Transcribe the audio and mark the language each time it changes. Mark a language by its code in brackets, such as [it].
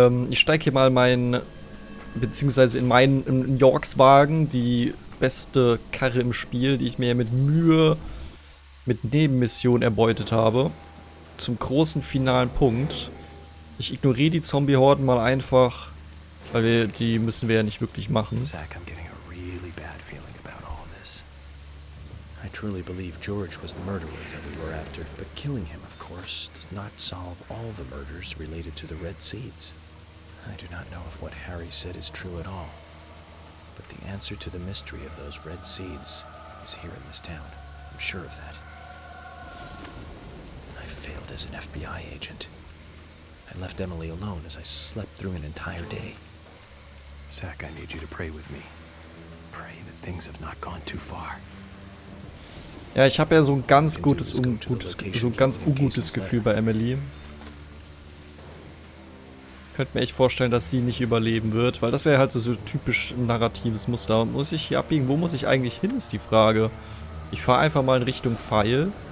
[de] Ich steige hier mal in Yorks Wagen, die beste Karre im Spiel, die ich mir mit Mühe mit Nebenmissionen erbeutet habe. Zum großen finalen Punkt. Ich ignoriere die Zombie-Horden mal einfach, weil wir, die müssen wir ja nicht wirklich machen. [en] Zack, I'm getting a really bad feeling about all this. I truly believe George was the murderer that we were after, but killing him, of course, does not solve all the murders related to the Red Seeds. I do not know if what Harry said is true at all, but the answer to the mystery of those Red Seeds is here in this town. I'm sure of that. I failed as an FBI agent. I left Emily alone as I slept through an entire day. Zack, I need you to pray with me. Pray that things have not gone too far. [de] Ja, ich habe ja so ein ganz gutes, ungutes Gefühl bei Emily. Könnte mir echt vorstellen, dass sie nicht überleben wird, weil das wäre halt so typisch narratives Muster. Und muss ich hier abbiegen? Wo muss ich eigentlich hin, ist die Frage. Ich fahre einfach mal in Richtung Pfeil.